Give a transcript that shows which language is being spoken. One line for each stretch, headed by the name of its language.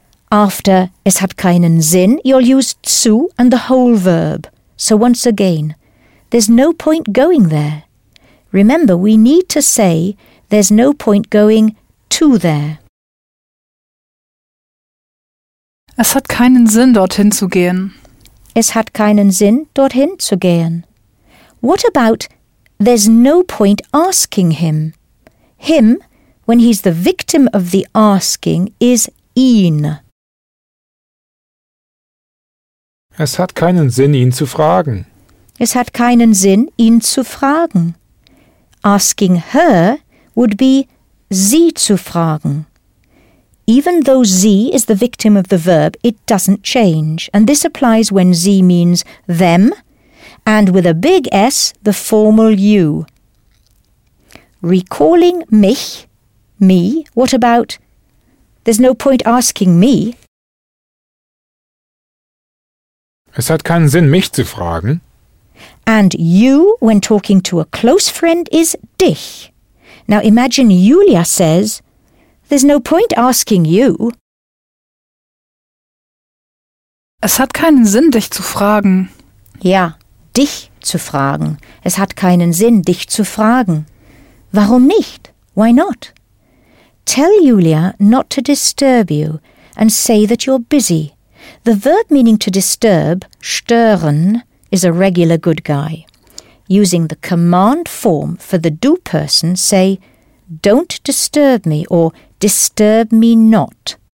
English: After
German: es hat keinen Sinn,
English: you'll use zu and the whole verb. So once again, there's no point going there. Remember, we need to say there's no point going to there.
German: Es hat keinen Sinn, dorthin zu gehen. Es hat keinen Sinn, dorthin zu gehen.
English: What about there's no point asking him? Him, when he's the victim of the asking, is ihn.
German: Es hat keinen Sinn, ihn zu fragen. Es hat keinen Sinn, ihn zu fragen.
English: Asking her would be
German: sie zu fragen.
English: Even though sie is the victim of the verb, it doesn't change. And this applies when sie means them, and with a big S, the formal you. Recalling mich, me, what about? There's no point asking me.
German: Es hat keinen Sinn, mich zu fragen.
English: And you, when talking to a close friend, is dich. Now imagine Julia says, there's no point asking you.
German: Es hat keinen Sinn, dich zu fragen. Ja, dich zu fragen. Es hat keinen Sinn, dich zu fragen. Warum nicht?
English: Why not? Tell Julia not to disturb you and say that you're busy. The verb meaning to disturb, stören, is a regular good guy. Using the command form for the do person, say, don't disturb me or disturb me not.